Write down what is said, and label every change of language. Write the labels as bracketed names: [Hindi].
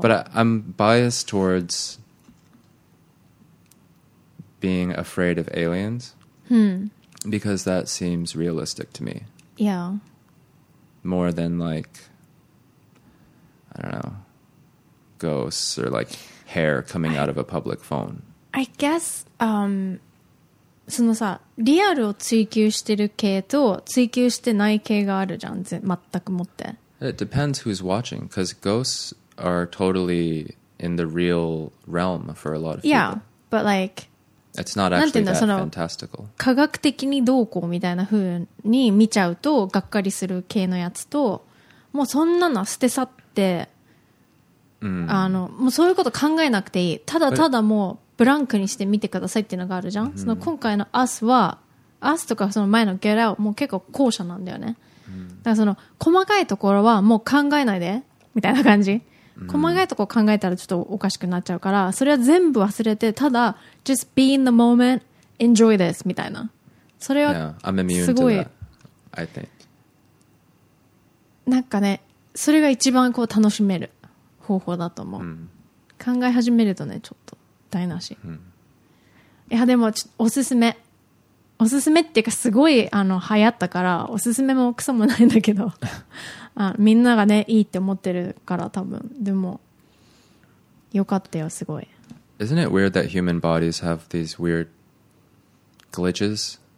[English] But I'm biased towards being afraid of aliens because that seems realistic to me. Yeah, more than like, I don't knowghosts or like hair coming out of a public phone. I guess [Japanese] そのさ、リアルを追求してる系と追求してない系があるじゃん、全くもって。 [English] It depends who's watching, because ghosts are totally in the real realm for a lot of yeah, people. Yeah, but like it's not actually that fantastical. [Japanese] 科学的にどうこうみたいな風に見ちゃうとがっかりする系のやつと、もうそんなの捨て去ってあのもうそういうこと考えなくていい、ただただもうブランクにして見てくださいっていうのがあるじゃん。その今回の Us は Us とかその前の Get Out もう結構後者なんだよね。だからその細かいところはもう考えないでみたいな感じ、細かいとこ考えたらちょっとおかしくなっちゃうから、それは全部忘れて、ただ [English] just be in the moment, enjoy this [Japanese] みたいな。それはすごい。 [English] Yeah, I'm immune to that, I think. [Japanese] なんかね、それが一番こう楽しめる方法だと思う。考え始めるとね、ちょっと台無し。いやでもおすすめ。おすすめっていうか、すごい流行ったから、おすすめもクソもないんだけど、みんながね、いいって思ってるから多分。でも、よかったよ、すごい。 [English] Isn't it weird that human bodies have these weird glitches?